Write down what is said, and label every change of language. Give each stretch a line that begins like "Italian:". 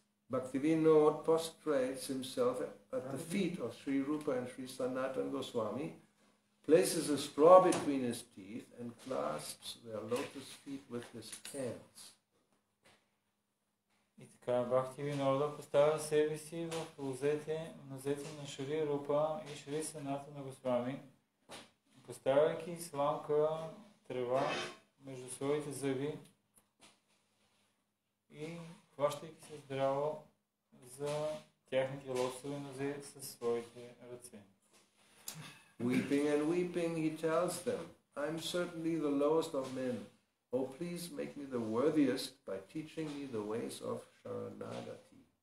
English: Bhaktivinoda prostrates himself at the feet of Sri Rupa and Sri Sanatana Goswami, places a straw between his teeth and clasps their lotus feet with his hands.
Bulgarian: И така Бхакти Винода поставя себе си в нозете на Шри Рупа и Шри Саната на Госвами, поставяйки сламка трева между своите зъби и хващайки се здраво за тяхните лотосови нозе със своите ръце.
English: Weeping and weeping, he tells them, I'm certainly the lowest of men. Oh, please make me the worthiest by teaching me the ways of Sharanagati.